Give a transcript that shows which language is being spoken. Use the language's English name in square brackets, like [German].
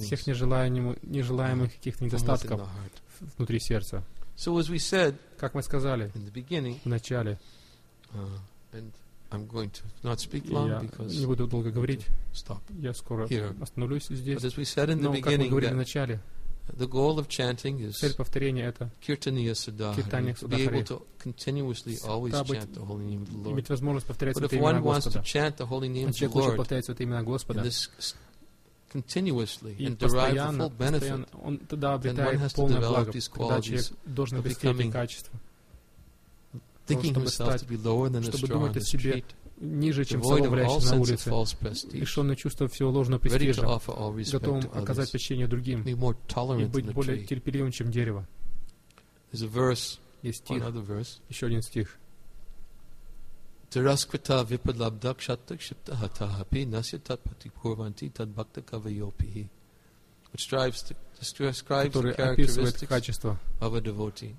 [Russian] всех нежелаемых каких-то недостатков внутри сердца. [English] So as we said, [Russian] как мы сказали [English] in the beginning, [Russian] в начале, [English] and I'm going to not speak long [Russian] я не буду долго говорить, я скоро [English] here. [Russian] Остановлюсь здесь. [English] But as we said in the [Russian] но, как мы говорили в начале, [English] the goal of chanting is [Russian] цель повторения это [Sanskrit] киртания саддхари, [English] to be able to continuously always chant the holy name of the Lord. [Russian] Иметь возможность повторять [English] but [Russian] это [English] if [Russian] имя [English] one [Russian] Господа, [English] wants to chant the holy name of the Lord, [Russian] повторять это имя Господа, [English] continuously and derive the full benefit, then one has to develop these qualities of becoming, thinking himself to be lower than a straw on the street, [Russian] ниже, чем целовляющийся на улице, лишенный чувства всего ложного престижа, готовым оказать почтение другим и быть более терпеливым, чем дерево. Есть стих, еще один стих. [Sanskrit] Tiraskrita vipadlabdak shattak shiptahatahapi nasyatat patikurvanti tadbhaktakavayopihi, [English] which strives to describe the characteristics of a devotee.